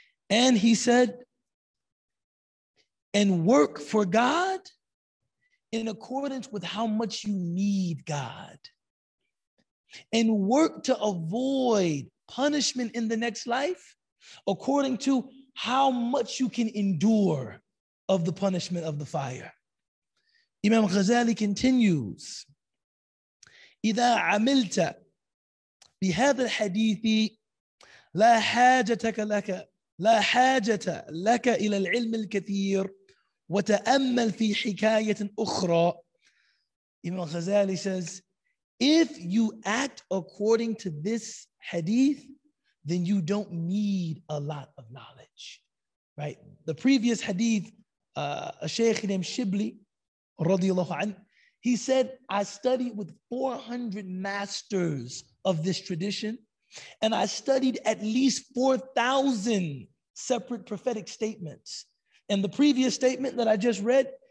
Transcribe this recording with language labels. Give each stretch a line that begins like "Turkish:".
English: And he said, "And work for God in accordance with how much you need God. And work to avoid punishment in the next life according to how much you can endure of the punishment of the fire." Imam Ghazali continues,
Arabic: "إذا عملت بهذا الحديث لا حاجة لك لا حاجة لك إلى العلم الكثير وتأمل في حكاية أخرى."
English: Imam Ghazali says, "If you act according to this hadith, then you don't need a lot of knowledge." Right? The previous hadith, a sheikh named Shibli, radiallahu anhu, he said, "I studied with 400 masters of this tradition, and I studied at least 4,000 separate prophetic statements." And the previous statement that I just read,